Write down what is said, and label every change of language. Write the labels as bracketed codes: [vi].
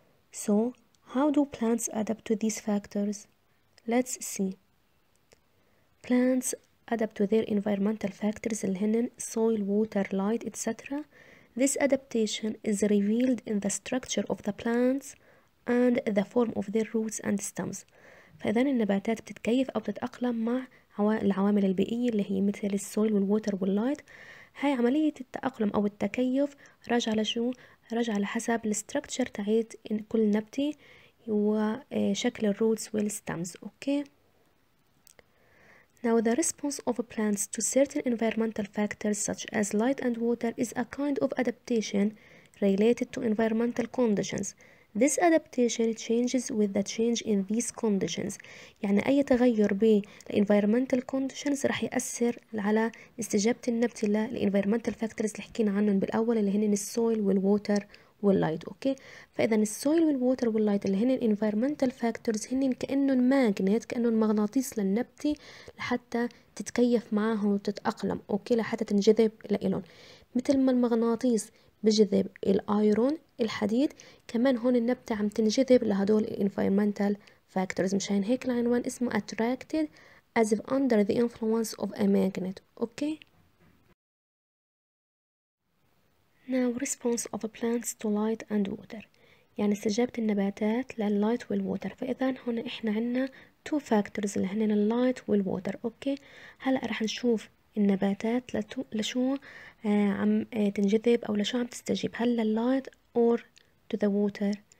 [en] So, how do plants adapt to these factors? Let's see. Plants adapt to their environmental factors, linen, soil, water, light, etc. This adaptation is revealed in the structure of the plants and the form of their roots and stems. [ar] فإذا النباتات بتتكيف أو تتأقلم مع العوامل البيئية اللي هي مثل السويل والووتر واللايت. هاي عملية التأقلم أو التكيف راجع لشو؟ راجع لحسب الستركتشر تعيد كل نبتة وشكل الروتس والستمز. [en] Okay? Now, the response of plants to certain environmental factors such as light and water is a kind of adaptation related to environmental conditions. This adaptation changes with the change in these conditions. [ar] يعني أي تغير بال environmental conditions رح يأثر على استجابة النبتة لل environmental factors اللي حكينا عنهم بالأول اللي هن السويل والووتر واللايت. أوكي؟ فإذا السويل والووتر واللايت اللي هن environmental factors هن كأنهم ماجنت، كأنهم مغناطيس للنبتة لحتى تتكيف معهم وتتأقلم، أوكي؟ لحتى تنجذب لإلهم. مثل ما المغناطيس بجذب الايرون الحديد، كمان هون النبتة عم تنجذب لهدول الانفايرمنتال فاكتورز. [en] مشان هيك العنوان اسمه attracted as if under the influence of a magnet. Okay. Now response of plants to light and water. [ar] يعني استجابة النباتات لللايت والووتر. فاذا هون احنا عنا two factors اللي هن اللايت والووتر. اوكي. هلا رح نشوف النباتات لشو عم تنجذب او لشو عم تستجيب، هل لللايت or to the water.